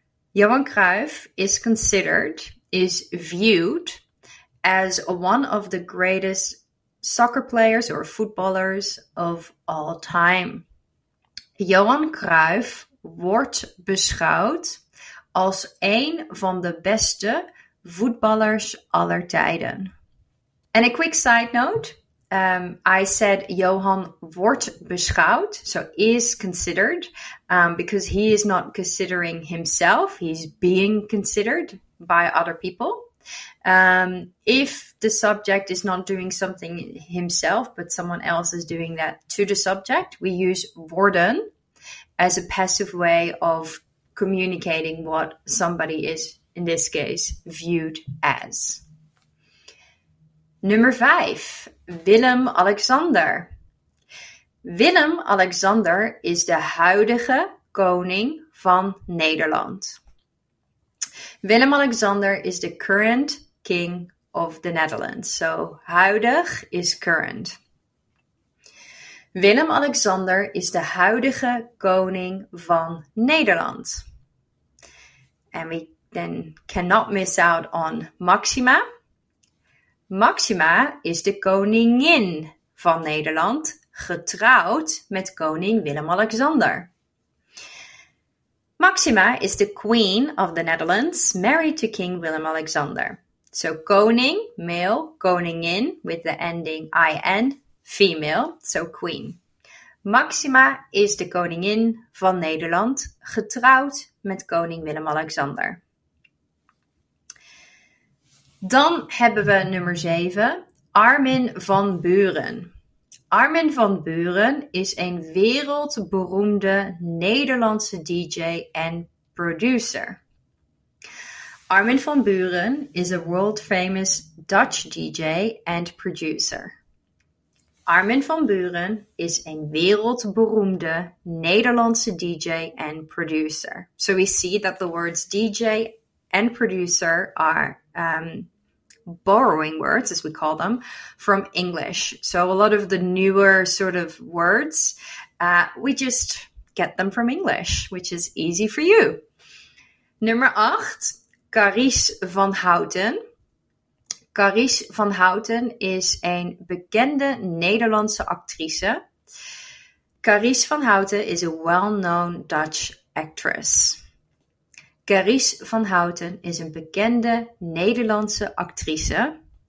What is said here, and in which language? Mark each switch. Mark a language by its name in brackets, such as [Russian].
[English] Johan Cruijff is considered, is viewed as one of the greatest soccer players or footballers of all time. [Dutch] Johan Cruijff wordt beschouwd als een van de beste voetballers aller tijden. [English] And a quick side note, I said Johan [Dutch] wordt beschouwd, [English] so is considered, because he is not considering himself, he's being considered by other people. If the subject is not doing something himself, but someone else is doing that to the subject, we use worden as a passive way of communicating what somebody is, in this case, viewed as. Number 5, Willem-Alexander. [Dutch] Willem-Alexander is de huidige koning van Nederland. [English] Willem-Alexander is the current king of the Netherlands. So, huidig is current. [Dutch] Willem-Alexander is de huidige koning van Nederland. [English] And we then cannot miss out on Maxima. [Dutch] Maxima is de koningin van Nederland, getrouwd met koning Willem-Alexander. [English] Maxima is the queen of the Netherlands, married to King Willem-Alexander. So koning, male, koningin, with the ending IN, female, so queen. [Dutch] Maxima is de koningin van Nederland, getrouwd met koning Willem-Alexander. Dan hebben we nummer 7, Armin van Buuren. Armin van Buuren is een wereldberoemde Nederlandse DJ en producer. [English] Armin van Buuren is a world famous Dutch DJ and producer. [Dutch] Armin van Buuren is een wereldberoemde Nederlandse DJ and producer. [English] So we see that the words DJ and producer are borrowing words, as we call them, from English. So a lot of the newer sort of words, we just get them from English, which is easy for you. [Dutch] Nummer 8, Carice van Houten. Carice van Houten is een bekende Nederlandse actrice. [English] Carice van Houten is a well-known Dutch actress. [Dutch] Carice van Houten is een bekende Nederlandse actrice.